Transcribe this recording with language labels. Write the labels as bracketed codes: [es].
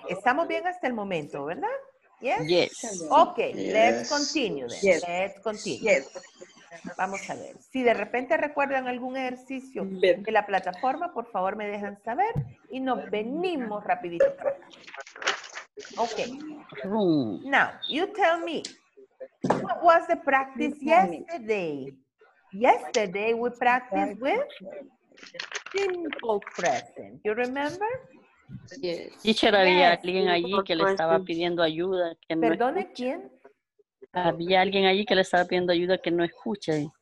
[es] Estamos bien hasta el momento, ¿verdad? [en] Yes. Yes. Ok. Yes. Let's continue. Yes. Let's continue. Yes. [es] Vamos a ver. Si de repente recuerdan algún ejercicio de la plataforma, por favor me dejan saber y nos venimos rapidito para acá. [en] Ok. Now, you tell me, what was the practice yesterday? Yesterday we practiced with simple present. You remember? Yes. [es] Teacher, había alguien allí que le estaba pidiendo ayuda. Que no ¿Perdone, escucha. ¿Quién? Había alguien allí que le estaba pidiendo ayuda que no escucha.